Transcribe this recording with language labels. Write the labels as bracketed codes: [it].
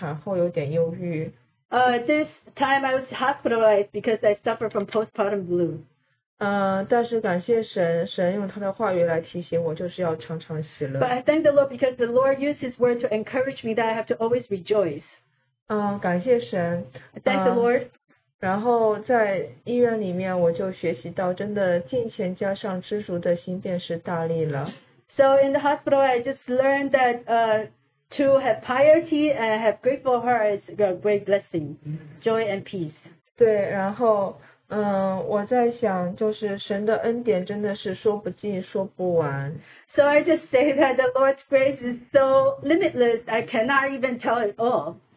[zh] 对，然后我就是这次我进了医院，因为我的产后有点忧郁。 [en] This time I was hospitalized because I suffered from postpartum blue. [zh] 但是感谢神，神用他的话语来提醒我，就是要常常喜乐。 [en] But I thank the Lord because the Lord used His word to encourage me that I have to always rejoice. [zh] 感谢神。 [en] Thank the Lord. [zh] 然后在医院里面，我就学习到，真的敬虔加上知足的心便是大力了。 [en] So in the hospital, I just learned that to have piety and have grateful heart is a great blessing, joy and peace. [zh] 对，然后我在想，就是神的恩典真的是说不尽，说不完。 [en] So I just say that the Lord's grace is so limitless, I cannot even tell it all.